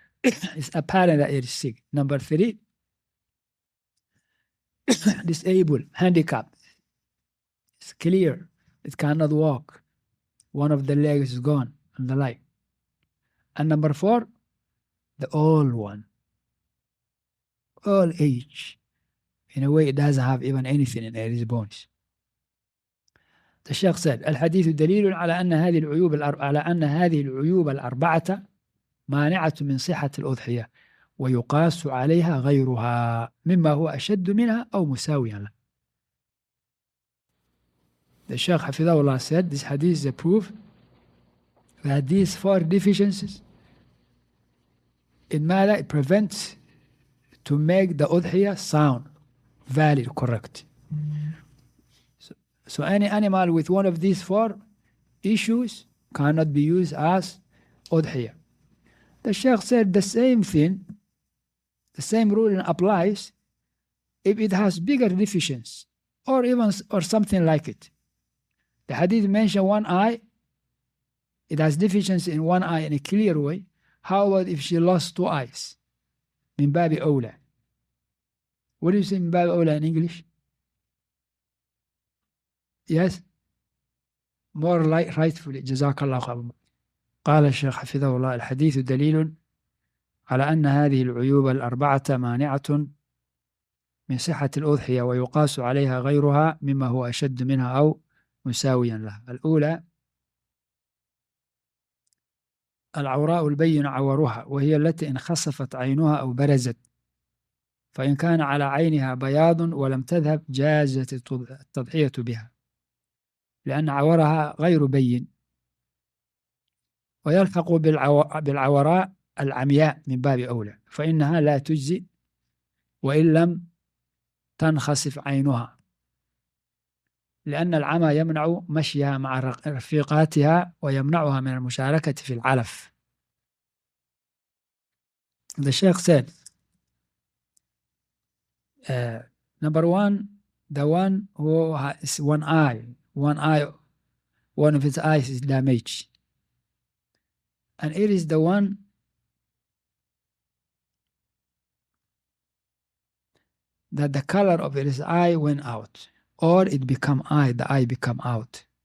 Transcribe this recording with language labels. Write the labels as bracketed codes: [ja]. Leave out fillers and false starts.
[en] It's apparent that it is sick. Number three, disabled, handicapped. It's clear. It cannot walk. One of the legs is gone and the like. And number four, the old one. Old age. In a way, it doesn't have even anything in its bones. [ar] الشيخ said: الحديث دليل على أن هذه العيوب الأربعة مانعة من صحة الأضحية ويقاس عليها غيرها مما هو أشد منها أو مساويا لها. [en] The Sheikh [ar] حفظه الله [en] said: This hadith is a proof that these four deficiencies in mala prevent to make the udhiyah sound valid, correct. So any animal with one of these four issues cannot be used as udhiyah. The Sheikh said the same thing, the same ruling applies if it has bigger deficiencies or something like it. The hadith mentioned one eye, it has deficiency in one eye in a clear way. How about if she lost two eyes? [ar] Min babi awla. [en] What do you say [ar] min babi awla [en] in English? Yes, more like rightfully. [ar] Jazakallah khair. قال الشيخ حفظه الله: الحديث دليل على أن هذه العيوب الأربعة مانعة من صحة الأضحية ويقاس عليها غيرها مما هو أشد منها أو مساويا لها. الأولى: العوراء البين عورها، وهي التي انخسفت عينها أو برزت، فإن كان على عينها بياض ولم تذهب جازت التضحية بها، لأن عورها غير بين. ويلحق بالعوراء العمياء من باب أولى، فإنها لا تجزي وإن لم تنخسف عينها، لأن العمى يمنع مشيها مع رفيقاتها ويمنعها من المشاركة في العلف. [en] The Sheikh said, number one, the one who has one eye, one of his eyes is damaged. And it is the one that the color of his eye went out, or it become eye, the eye become out.